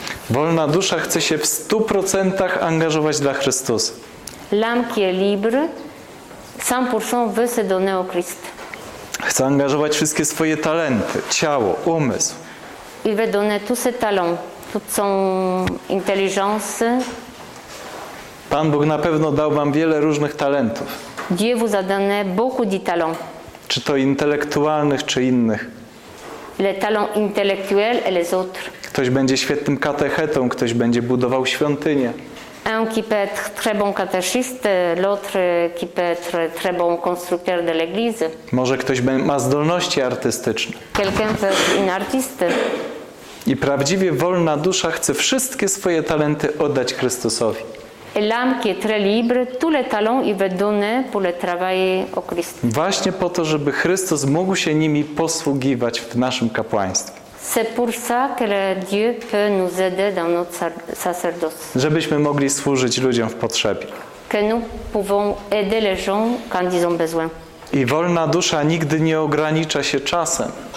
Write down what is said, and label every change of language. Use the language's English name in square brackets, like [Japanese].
[Polish] Wolna dusza chce się w 100% angażować dla Chrystusa. [French] L'âme qui est libre, 100% veut se donner au Christ. [Polish] Chce angażować wszystkie swoje talenty, ciało, umysł. [French] Il veut donner tous ses talents, toute son intelligence. [Polish] Pan Bóg na pewno dał wam wiele różnych talentów. [French] Dieu vous a donné beaucoup de talents. [Polish] czy to intelektualnych, czy innych. [French] Le talent intellectuel et les autres. [Polish] Ktoś będzie świetnym katechetą, ktoś będzie budował świątynię. [French] Un qui peut être très bon catéchiste, l'autre qui peut être très bon constructeur de l'église. [Polish] Może ktoś ma zdolności artystyczne. [French] Quelqu'un peut être un artiste. [Polish] I prawdziwie wolna dusza chce wszystkie swoje talenty oddać Chrystusowi. [French] L'âme qui est très libre, tous les talents il veut donner pour le travail au Christ. [Polish] Właśnie po to, żeby Chrystus mógł się nimi posługiwać w naszym kapłaństwie. [French] C'est pour ça que Dieu peut nous aider dans notre sacerdoce. [Polish] Żebyśmy mogli służyć ludziom w potrzebie. [French] Que nous pouvons aider les gens quand ils ont besoin. [Polish] I wolna dusza nigdy nie ogranicza się czasem.